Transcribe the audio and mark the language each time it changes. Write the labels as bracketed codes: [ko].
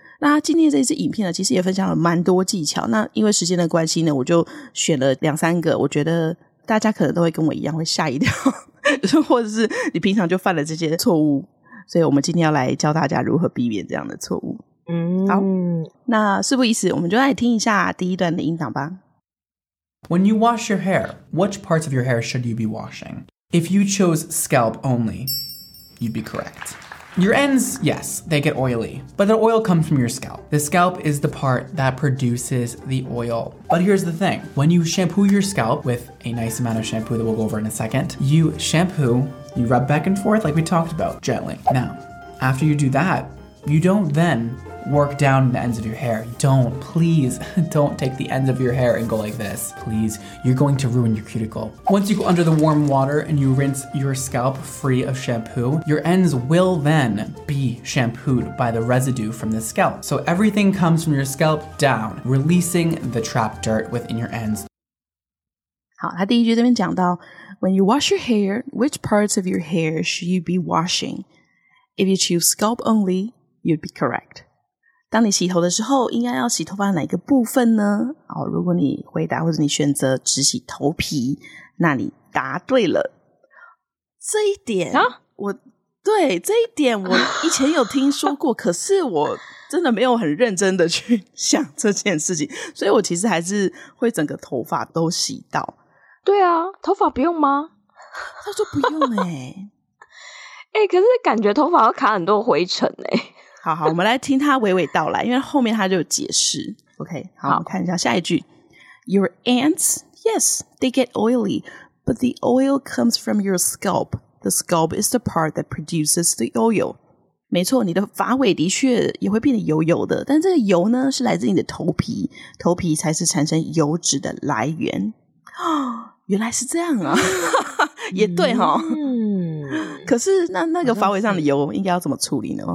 [zh] 那今天这支影片呢，其实也分享了蛮多技巧。那因为时间的关系呢，我就选了2-3个，我觉得大家可能都会跟我一样会吓一跳，就或者是你平常就犯了这些错误，所以我们今天要来教大家如何避免这样的错误。嗯，好，那事不宜迟，我们就来听一下第一段的音档吧。 [en] When you wash your hair, which parts of your hair should you be washing? If you chose scalp only, you'd be correct. Your ends, yes, they get oily, but the oil comes from your scalp. The scalp is the part that produces the oil. But here's the thing, when you shampoo your scalp with a nice amount of shampoo that we'll go over in a second, you shampoo, you rub back and forth like we talked about, gently. Now, after you do that,You don't then work down the ends of your hair. Don't, please, don't take the ends of your hair and go like this. Please, you're going to ruin your cuticle. Once you go under the warm water and you rinse your scalp free of shampoo, your ends will then be shampooed by the residue from the scalp. So everything comes from your scalp down, releasing the trapped dirt within your ends. [zh] 好，他第一句这边讲到 [en] When you wash your hair, which parts of your hair should you be washing? If you choose scalp only,You'd be correct. [zh] 当你洗头的时候，应该要洗头发哪一个部分呢？哦，如果你回答或者你选择只洗头皮，那你答对了。这一点啊，我以前有听说过，可是我真的没有很认真的去想这件事情，所以我其实还是会整个头发都洗到。对啊，头发不用吗？他说不用耶、欸欸、可是感觉头发要卡很多灰尘耶、欸、好好，我们来听他娓娓道来，因为后面他就有解释。 OK， 好，我们看一下下一句。 [en] Your ants, yes, they get oily, but the oil comes from your scalp. The scalp is the part that produces the oil. [zh] 没错，你的发尾的确也会变得油油的，但这个油呢是来自你的头皮，头皮才是产生油脂的来源。原来是这样啊。也对哈、嗯，可是那个发尾上的油应该要怎么处理呢？